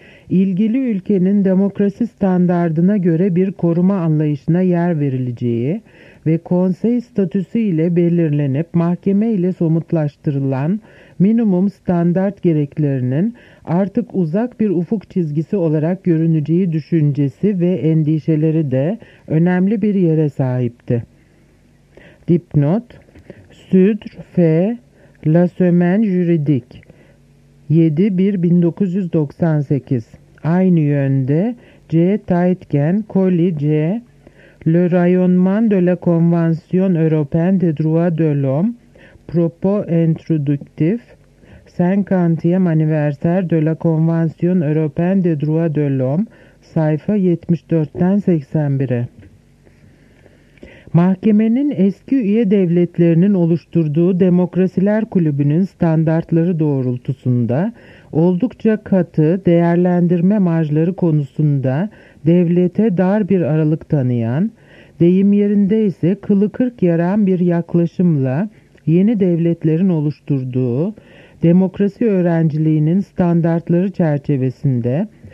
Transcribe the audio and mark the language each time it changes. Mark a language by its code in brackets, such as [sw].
[tr] ilgili ülkenin demokrasi standardına göre bir koruma anlayışına yer verileceği ve konsey statüsü ile belirlenip mahkeme ile somutlaştırılan minimum standart gereklerinin artık uzak bir ufuk çizgisi olarak görüneceği düşüncesi ve endişeleri de önemli bir yere sahipti. Dipnot Sudre F. La Semaine Juridique 7-1-1998 Aynı yönde C. Taitken, Colli C. [fr] Le Rayonnement de la Convention Européenne des Droits de l'Homme, Propos Introductif, 50e Anniversaire de la Convention Européenne des Droits de l'Homme, [tr] sayfa 74-81'e. Mahkemenin eski üye devletlerinin oluşturduğu Demokrasiler Kulübü'nün standartları doğrultusunda oldukça katı değerlendirme marjları konusunda devlete dar bir aralık tanıyan, deyim yerinde ise kılı kırk yaran bir yaklaşımla yeni devletlerin oluşturduğu demokrasi öğrenciliğinin standartları çerçevesinde